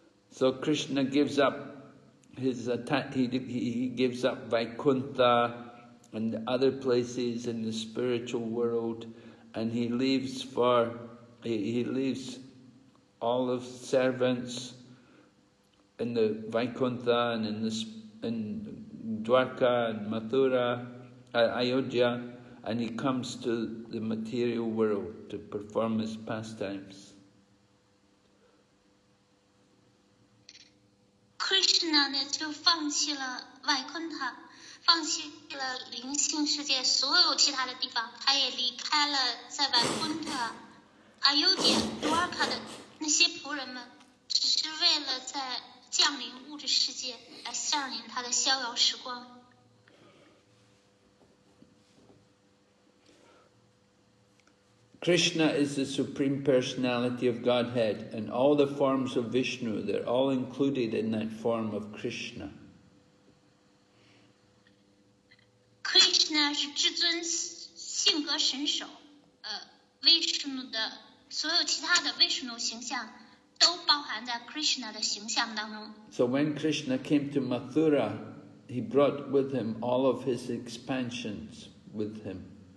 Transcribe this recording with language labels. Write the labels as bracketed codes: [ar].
[en] So Krishna gives up his attack, he gives up Vaikuntha and the other places in the spiritual world, and he leaves all of servants in the Vaikuntha and in Dwarka and Mathura, Ayodhya, and he comes to the material world to perform his pastimes. [zh] Krishna 呢就放弃了外昆塔，放弃了灵性世界所有其他的地方，他也离开了在外昆塔、阿尤迪亚、多尔卡的那些仆人们，只是为了在降临物质世界来降临他的逍遥时光。 [en] Krishna is the Supreme Personality of Godhead, and all the forms of Vishnu, they're all included in that form of Krishna. So when Krishna came to Mathura, he brought with him all of his expansions with him.